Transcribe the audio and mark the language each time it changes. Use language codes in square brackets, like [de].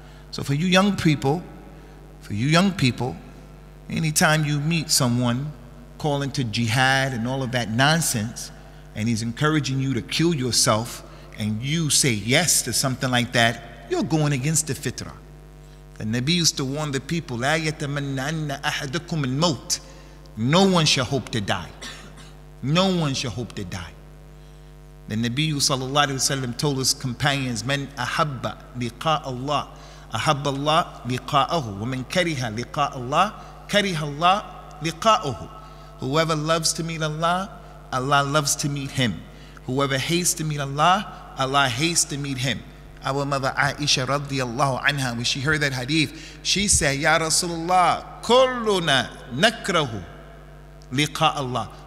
[en] So for you young people, anytime you meet someone calling to jihad and all of that nonsense, and he's encouraging you to kill yourself, and you say yes to something like that, you're going against the fitrah. The Nabi used to warn the people, [ar] لا يتمنى أن أحدكم الموت. [en] No one shall hope to die. No one shall hope to die. The Nabi sallallahu alayhi wa sallam told his companions, [ar] من أحب لقاء الله أحب الله لقاءه ومن كره لقاء الله كره الله لقاءه. [en] Whoever loves to meet Allah, Allah loves to meet him. Whoever hates to meet Allah, Allah hates to meet him. Our mother Aisha radiallahu anha, when she heard that hadith, she said, [ar] Ya Rasulullah, kulluna nakrahu liqa Allah.